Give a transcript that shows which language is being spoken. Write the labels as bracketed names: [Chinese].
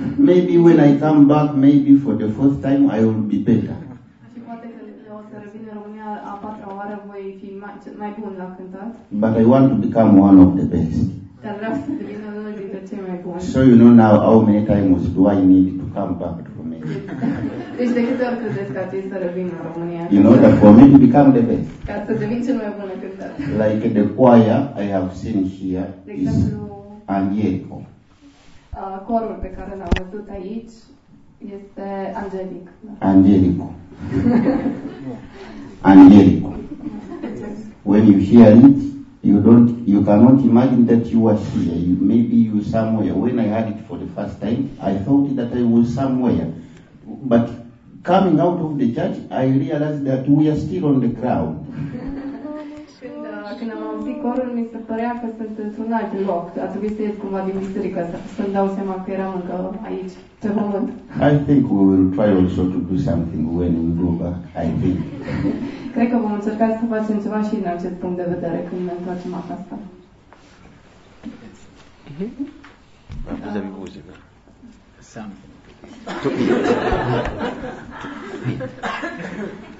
[English] Maybe when I come back, maybe for the fourth time, I will be better. [Romanian] Și poate că o să revin în România a patra oară, voi fi mai bun la cântat. [English] But I want to become one of the best. So you know now how many times do I need to come back to Romania? [Romanian] Deci de câte ori credeți că ar trebui să revin în România? [English] You know that for me to become the best. [Romanian] Ca să devin cel mai bun cântat. [English] Like the choir I have seen here is angelico. [Romanian] Corul pe care l-am văzut aici este angelic. [English] Angelico. [Romanian] Angelico. [English] When you hear it, you cannot imagine that you are here. Maybe you are somewhere. When I heard it for the first time, I thought that I was somewhere. But coming out of the church, I realized that we are still on the ground. [Romanian] Când am auzit corul, mi se părea că sunt într-un alt loc. A trebuit să ies cumva din biserică să-mi dau seama că eram încă aici, pe pământ. [English] I think we will try also to do something when we go back, I think. [Romanian] Cred că vom încerca să facem ceva și din acest punct de vedere când ne întoarcem acasă.